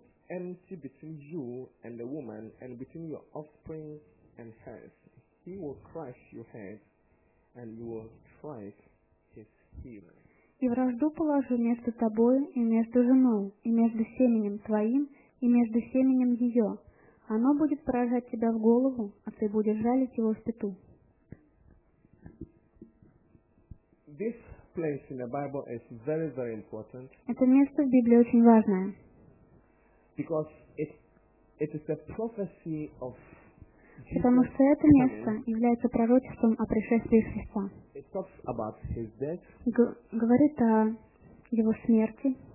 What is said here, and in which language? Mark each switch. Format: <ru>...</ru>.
<en>Enmity between you and the woman, and between your offspring and hers. He will crush your head, and you will strike his heel.</en> <ru>И вражду положу между тобой и между женой, и между семенем твоим и между семенем ее. Оно будет поражать тебя в голову, а ты будешь жалить его в пяту.</ru> <en>This place in the Bible is very, very important.</en> <ru>Это место в Библии очень важное.</ru> <en>Because it is a prophecy of Jesus.</en> <ru>Потому что это место является пророчеством о пришествии Христа.</ru> <en>It talks about his death.</en> <ru>Говорит о его смерти.</ru>